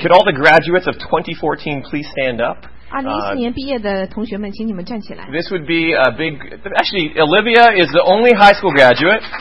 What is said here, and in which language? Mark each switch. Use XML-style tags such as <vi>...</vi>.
<en>Could all the graduates of 2014 please stand up?</en> <zh>2014年毕业的同学们，请你们站起来。</zh> <en>This would be a big. Actually, Olivia is the only high school graduate.</en>